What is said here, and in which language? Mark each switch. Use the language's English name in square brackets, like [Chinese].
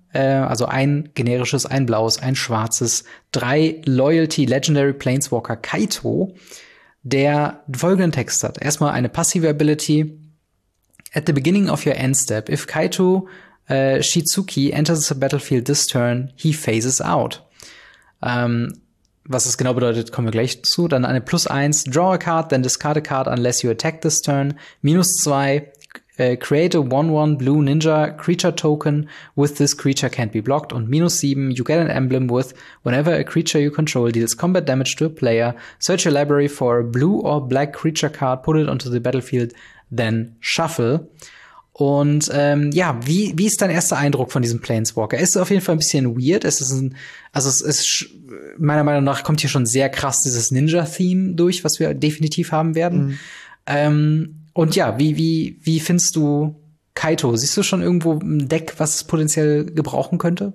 [German] Also ein generisches, ein blaues, ein schwarzes, 3 Loyalty Legendary Planeswalker Kaito, der folgenden Text hat. Erstmal eine passive Ability. [English] At the beginning of your end step, if Kaito Shitsugi enters the battlefield this turn, he phases out. Was es genau bedeutet, kommen wir gleich zu. [German] Dann eine plus 1, [English] draw a card, then discard a card unless you attack this turn. Minus 2, create a 1-1 blue ninja creature token with this creature can't be blocked. [German] Und minus 7, [English] you get an emblem with whenever a creature you control deals combat damage to a player, search your library for a blue or black creature card, put it onto the battlefield, then shuffle. [German] Und ja, wie ist dein erster Eindruck von diesem Planeswalker? Es ist auf jeden Fall ein bisschen weird. Es ist ein, also es ist meiner Meinung nach kommt hier schon sehr krass dieses Ninja-Theme durch, was wir definitiv haben werden. Mhm. Und ja, wie findest du Kaito? Siehst du schon irgendwo ein Deck, was es potenziell gebrauchen könnte?